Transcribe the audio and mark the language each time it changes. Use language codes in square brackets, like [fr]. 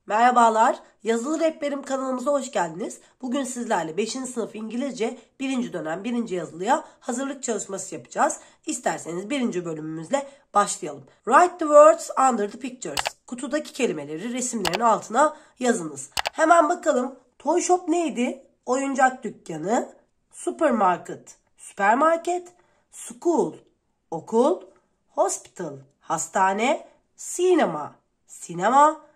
[tr] Merhabalar, Yazılı Rehberim kanalımıza hoş geldiniz. Bugün sizlerle 5. sınıf İngilizce 1. dönem 1. yazılıya hazırlık çalışması yapacağız. İsterseniz 1. bölümümüzle başlayalım. [en] Write the words under the pictures. [tr] Kutudaki kelimeleri resimlerin altına yazınız. Hemen bakalım. Toy shop neydi? Oyuncak dükkanı. Supermarket, süpermarket. School, okul. Hospital, hastane. Sinema, sinema.